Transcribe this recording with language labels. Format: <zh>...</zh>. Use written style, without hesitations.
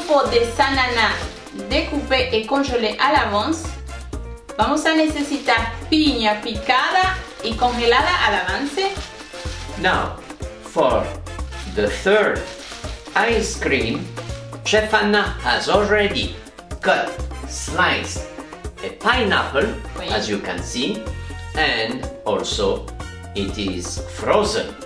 <fr>des ananas découpés et congelés à l'avance.</fr> <es>Vamos a necesitar piña picada y congelada al avance.</es> <en>Now, for the third ice cream, Chef Anna has already cut, sliced a pineapple, oui, as you can see, and also it is frozen.</en>